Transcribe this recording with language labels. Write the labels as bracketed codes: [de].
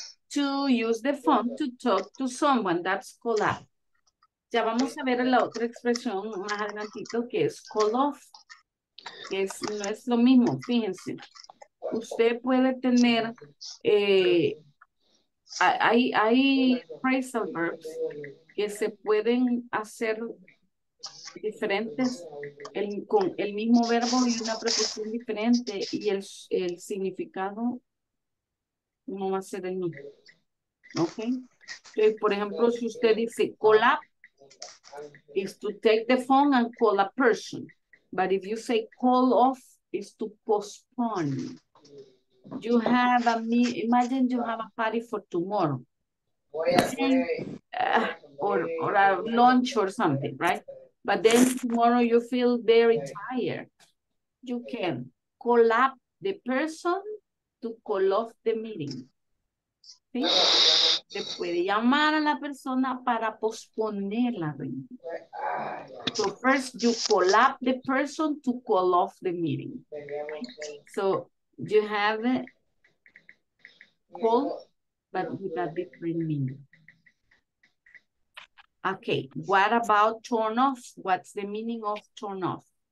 [en] To use the phone to talk to someone. That's call out. [es] Ya vamos a ver la otra expresión más adelantito que es call off. Que es, no es lo mismo, fíjense. Usted puede tener... Hay phrasal verbs que se pueden hacer diferentes con el mismo verbo y una preposición diferente y el significado no va a ser el mismo. [en] Okay. [es] Entonces, por ejemplo, si usted dice [en] call up, is to take the phone and call a person. But if you say call off, is to postpone. You have a meet. Imagine you have a party for tomorrow, or a lunch or something, right? But then tomorrow you feel very tired. You can call up the person to call off the meeting. [es] ¿Sí? Se puede llamar a la persona para posponer la reunión. [en] So first you call up the person to call off the meeting. So you have it call, but with a different meaning. Okay, what about turn off? What's the meaning of turn off?